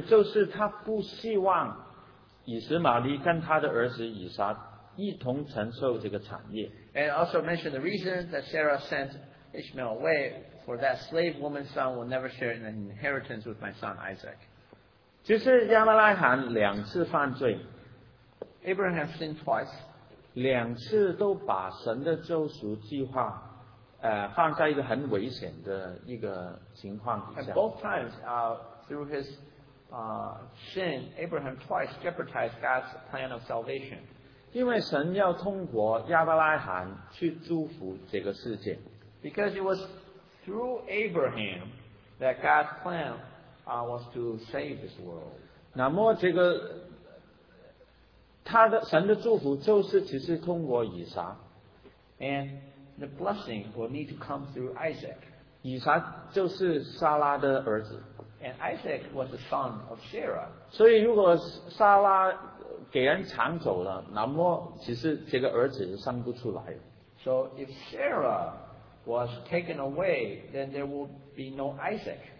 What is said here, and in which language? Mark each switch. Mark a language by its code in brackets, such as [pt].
[zh] 就是他不希望以实玛利跟他的儿子以撒一同承受这个产业。 [en] And also mentioned the reason that Sarah sent Ishmael away, for that slave woman's son will never share an inheritance with my son Isaac. [zh] 就是亚伯拉罕两次犯罪。 [en] Abraham sinned twice. [zh] 两次都把神的救赎计划放在一个很危险的一个情况底下。 [en] And both times, through his sin, Abraham twice jeopardized God's plan of salvation. [zh] 因为神要通过亚伯拉罕去祝福这个世界。 [en] Because it was through Abraham that God's plan was to save this world. [zh] 那么这个他的神的祝福就是其实通过以撒。 [en] And the blessing will need to come through Isaac. [zh] 以撒就是撒拉的儿子。 [en] And Isaac was the son of Sarah. [zh] 所以如果撒拉给人抢走了，那么其实这个儿子是生不出来。 [en] So if Sarah was taken away, then there will be no Isaac.